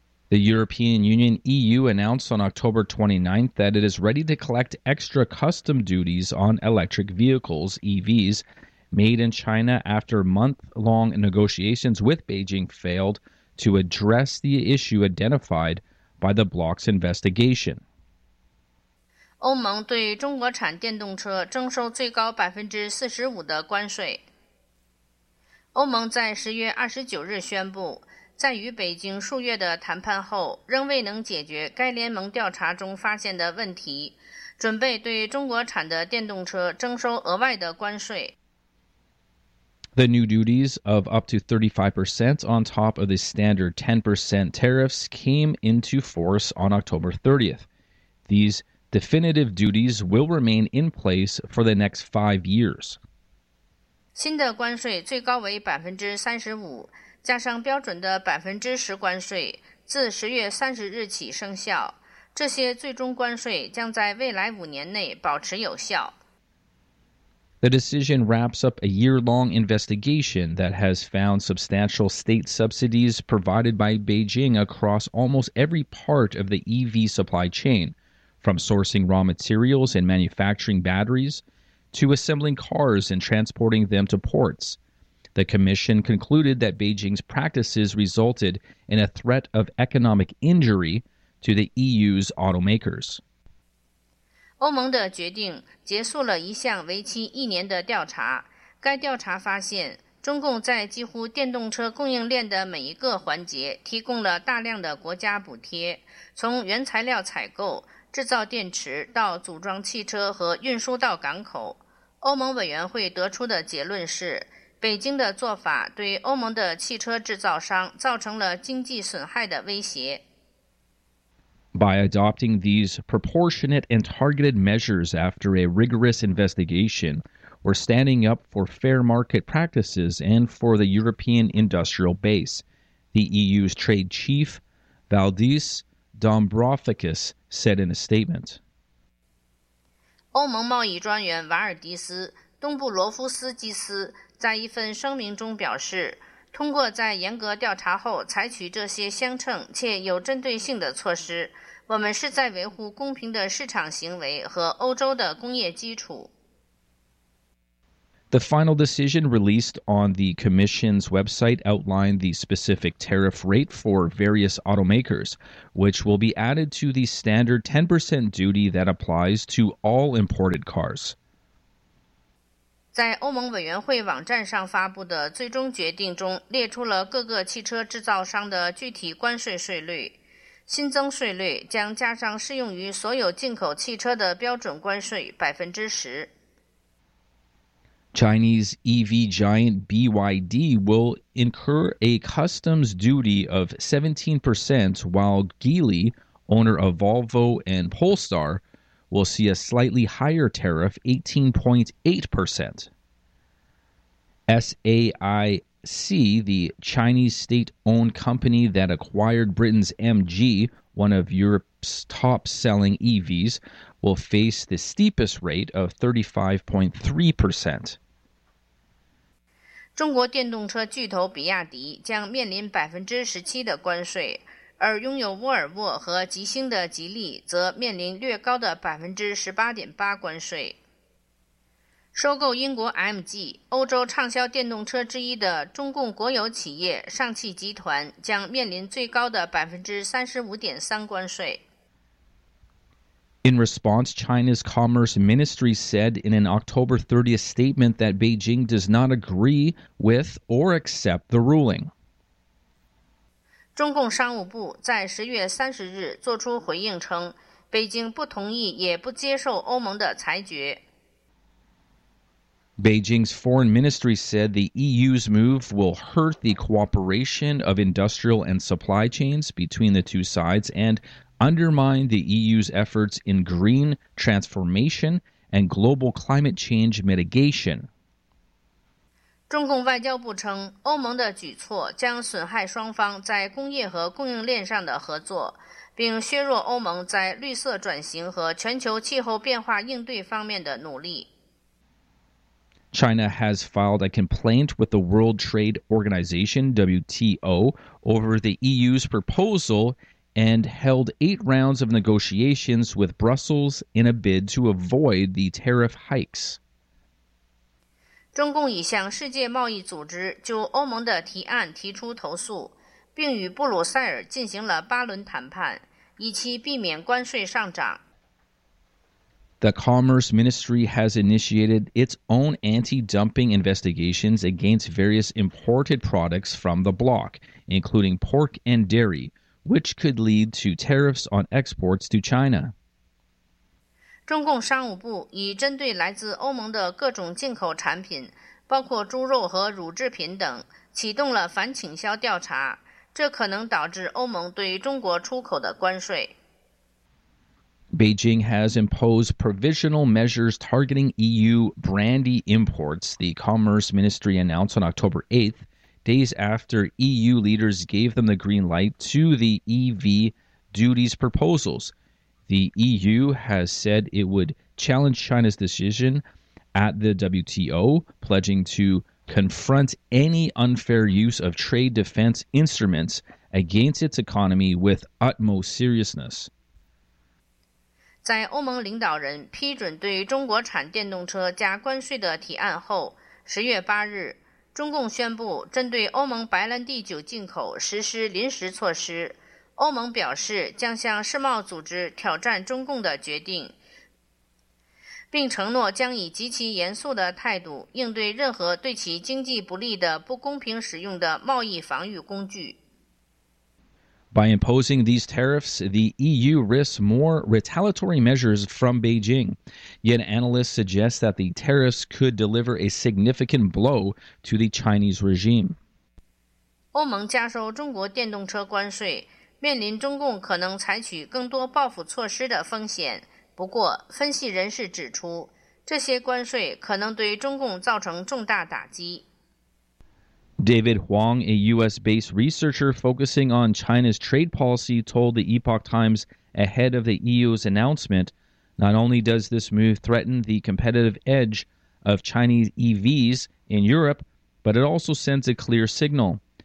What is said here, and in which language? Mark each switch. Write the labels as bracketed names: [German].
[English] The European Union EU announced on October 29th that it is ready to collect extra custom duties on electric vehicles, EVs, made in China after month-long negotiations with Beijing failed to address the issue identified by the bloc's investigation. [Chinese] 欧盟对中国产电动车征收最高 45% 的关税。欧盟在10月29日宣布，在与北京数月的谈判后，仍未能解决该联盟调查中发现的问题，准备对中国产的电动车征收额外的关税。 [English] The new duties of up to 35% on top of the standard 10% tariffs came into force on October 30th. These definitive duties will remain in place for the next 5 years. [Chinese] 新的关税最高为 35%, 加上标准的 10% 关税，自10月30日起生效。这些最终关税将在未来5年内保持有效。 [English] The decision wraps up a year-long investigation that has found substantial state subsidies provided by Beijing across almost every part of the EV supply chain. From sourcing raw materials and manufacturing batteries, to assembling cars and transporting them to ports. The commission concluded that Beijing's practices resulted in a threat of economic injury to the EU's automakers. [Chinese] 欧盟的决定结束了一项为期一年的调查。该调查发现，中共在几乎电动车供应链的每一个环节提供了大量的国家补贴，从原材料采购制造电池到组装汽车和运输到港口。欧盟委员会得出的结论是，北京的做法对欧盟的汽车制造商造成了经济损害的威胁。 [English] By adopting these proportionate and targeted measures after a rigorous investigation, we're standing up for fair market practices and for the European industrial base, the EU's trade chief, Valdis Dombrovskis, said in a statement. [Chinese] 欧盟贸易专员瓦尔迪斯·东布罗夫斯基斯在一份声明中表示，通过在严格调查后采取这些相称且有针对性的措施，我们是在维护公平的市场行为和欧洲的工业基础。 [English] The final decision released on the Commission's website outlined the specific tariff rate for various automakers, which will be added to the standard 10% duty that applies to all imported cars. [Chinese] 在欧盟委员会网站上发布的最终决定中列出了各个汽车制造商的具体关税税率。新增税率将加上适用于所有进口汽车的标准关税 10%。 [English] Chinese EV giant BYD will incur a customs duty of 17%, while Geely, owner of Volvo and Polestar, will see a slightly higher tariff, 18.8%. SAIC, the Chinese state-owned company that acquired Britain's MG, one of Europe's top-selling EVs, will face the steepest rate of 35.3%. [Chinese] 中国电动车巨头比亚迪将面临 17% 的关税，而拥有沃尔沃和吉星的吉利则面临略高的 18.8% 关税。收购英国 MG, 欧洲畅销电动车之一的中共国有企业上汽集团将面临最高的 35.3% 关税。 [English] In response, China's Commerce Ministry said in an October 30th statement that Beijing does not agree with or accept the ruling. [Chinese] 中共商务部在10月30日作出回应称，北京不同意也不接受欧盟的裁决。 [English] Beijing's foreign ministry said the EU's move will hurt the cooperation of industrial and supply chains between the two sides and undermine the EU's efforts in green transformation and global climate change mitigation. [Chinese] 中共外交部称，欧盟的举措将损害双方在工业和供应链上的合作，并削弱欧盟在绿色转型和全球气候变化应对方面的努力。 [English] China has filed a complaint with the World Trade Organization, WTO, over the EU's proposal and held 8 rounds of negotiations with Brussels in a bid to avoid the tariff hikes. [Chinese] 中共已向世界贸易组织就欧盟的提案提出投诉，并与布鲁塞尔进行了8轮谈判，以期避免关税上涨。 [English] The Commerce Ministry has initiated its own anti-dumping investigations against various imported products from the bloc, including pork and dairy, which could lead to tariffs on exports to China. [Chinese] 中共商务部已针对来自欧盟的各种进口产品，包括猪肉和乳制品等，启动了反倾销调查，这可能导致欧盟对中国出口的关税。 [English] Beijing has imposed provisional measures targeting EU brandy imports, the Commerce Ministry announced on October 8th, days after EU leaders gave them the green light to the EV duties proposals. The EU has said it would challenge China's decision at the WTO, pledging to confront any unfair use of trade defense instruments against its economy with utmost seriousness. [Chinese] 在欧盟领导人批准对中国产电动车加关税的提案后，10月8日，中共宣布针对欧盟白兰地酒进口实施临时措施。欧盟表示将向世贸组织挑战中共的决定，并承诺将以极其严肃的态度应对任何对其经济不利的不公平使用的贸易防御工具。 [English] By imposing these tariffs, the EU risks more retaliatory measures from Beijing. Yet analysts suggest that the tariffs could deliver a significant blow to the Chinese regime. [Chinese] 欧盟加收中国电动车关税，面临中共可能采取更多报复措施的风险。不过，分析人士指出，这些关税可能对中共造成重大打击。 [English] David Huang, a U.S.-based researcher focusing on China's trade policy, told the Epoch Times ahead of the EU's announcement, not only does this move threaten the competitive edge of Chinese EVs in Europe, but it also sends a clear signal.